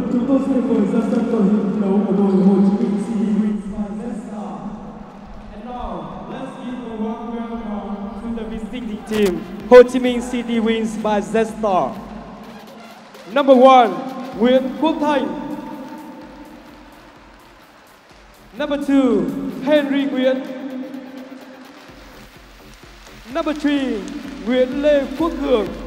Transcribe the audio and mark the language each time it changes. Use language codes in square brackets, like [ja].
[vi] tôi xin mời ra sân cầu thủ đấu của đội Hồ Chí Minh City Wings Manchester. [en] And now, let's give a warm welcome to the visiting team, Ho Chi Minh City Wings by Zestar. Number 1, Nguyễn Quốc Thành. Number 2, Henry Nguyễn. Number 3, Nguyễn Lê Quốc Hường.